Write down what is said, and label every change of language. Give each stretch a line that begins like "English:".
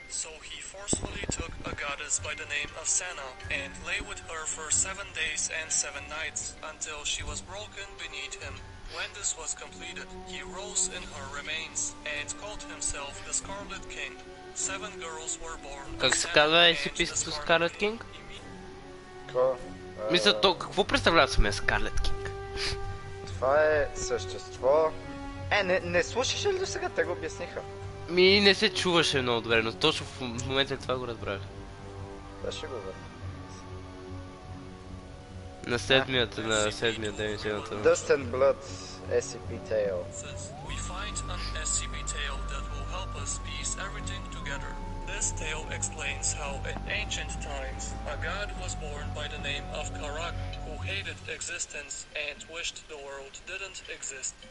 English: So he forcefully took a goddess by the name of Senna, and lay with her for 7 days and 7 nights, until she was broken beneath him. When this was completed, he rose in her remains and called himself the Scarlet King. 7 girls were born.
Bulgarian: Как се казва SCP-то Scarlet King? Какво? Мисля, то какво представлява сме Scarlet King? Това е същество. Е, не слушаш ли до сега? Те го обясниха. Ми не се чуваше много добре, но точно в момента това го разбрах. Да, ще го върна. На седмията, на седмия ден и седмията.
English: Dust and Blood, SCP Tale. We find an SCP Tale that will help us piece everything together. This tale explains how in ancient times, a god was born by the name of Karak, who hated existence and wished the world didn't exist.